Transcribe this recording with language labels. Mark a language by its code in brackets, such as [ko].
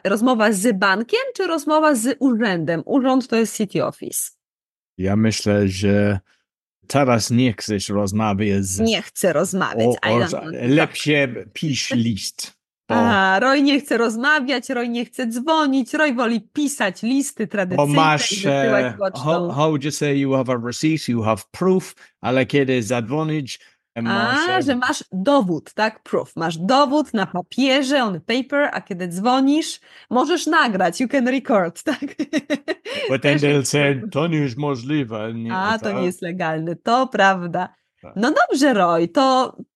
[pl] Rozmowa z bankiem, czy rozmowa z urzędem? Urząd to jest city office. Ja myślę, że teraz nie chcesz rozmawiać z... Nie chcę rozmawiać. Lepiej pisz list. Bo... A, Roy nie chce rozmawiać, Roy nie chce dzwonić, Roy woli pisać listy tradycyjne. Bo masz, [en] how would you say, you have a receipt, you have proof, [pl] ale kiedy zadzwonić... Że masz dowód, tak, proof, masz dowód na papierze, [en] on paper, [pl] a kiedy dzwonisz, możesz nagrać, [en] you can record, [pl] tak? [en] But then they'll say, [pl] to nie jest możliwe. Nie, a, to nie jest legalne, to prawda. No dobrze, Roy, to...